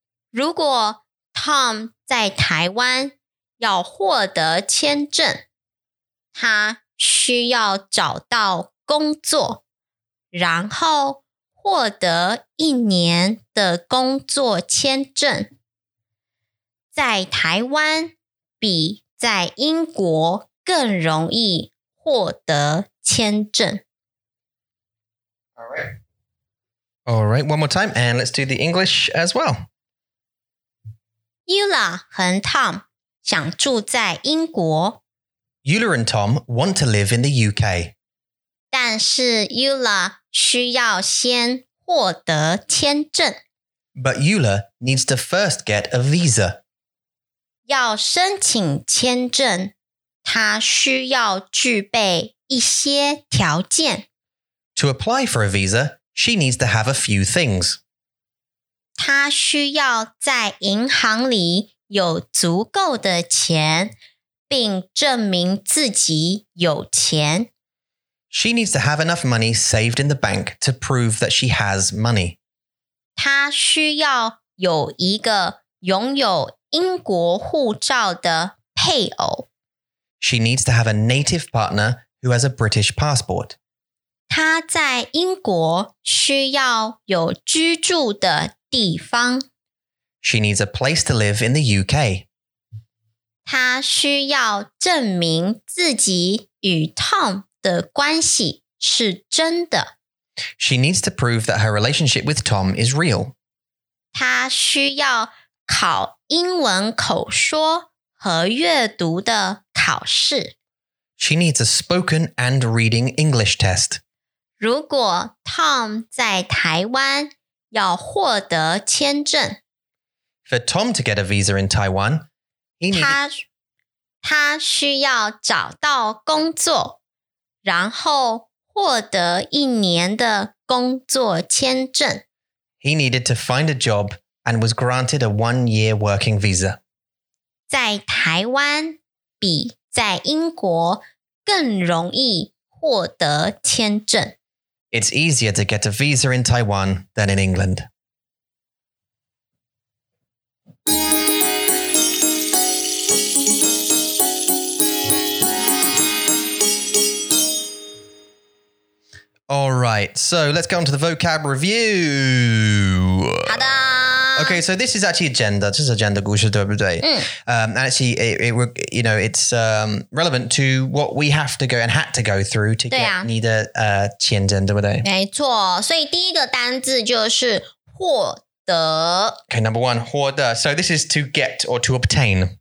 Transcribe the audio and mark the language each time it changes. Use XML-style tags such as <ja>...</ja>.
<zh>如果 Tom 在台湾要获得签证，他需要找到工作，然后获得一年的工作签证。在台湾比在英国更容易获得签证。</zh> <en>Alright, one more time, and let's do the English as well.</en> <zh>Eula 和 Tom 想住在英国。</zh> <en>Eula and Tom want to live in the UK.</en> <zh>但是 Eula 需要先获得签证。</zh> <en>But Eula needs to first get a visa.</en> <zh>要申请签证，他需要具备一些条件。</zh> <en>To apply for a visa, she needs to have a few things.</en> <zh>他需要在银行里有足够的钱，并证明自己有钱。</zh> <en>She needs to have enough money saved in the bank to prove that she has money.</en> <zh>她需要有一个拥有英国护照的配偶。</zh> <en>She needs to have a native partner who has a British passport.</en> <zh>她在英国需要有居住的地方。</zh> <en>She needs a place to live in the UK.</en> <zh>他需要证明自己与 Tom 的关系是真的。</zh> <en>She needs to prove that her relationship with Tom is real.</en> <zh>他需要考英文口说和阅读的考试。</zh> <en>She needs a spoken and reading English test.</en> <zh>如果 Tom 在台湾要获得签证。</zh> <en>For Tom to get a visa in Taiwan,</en> <zh>他需要找到工作，然后获得一年的工作签证。</zh> <en>He needed to find a job and was granted a one-year working visa.</en> <zh>在台湾比在英国更容易获得签证。</zh> <en>It's easier to get a visa in Taiwan than in England. Alright, so let's go on to the vocab review.</en> <zh>好的。</zh> <en>Okay, so this is actually a gender. This is a gender</en> <zh>故事对不对？</zh> <en>And actually, it's relevant to what we have to go and had to go through to get</en> <zh>你的签证对不对？没错，所以第一个单字就是获得。</zh> <en>Okay, number one, 获得。 So this is to get or to obtain.</en>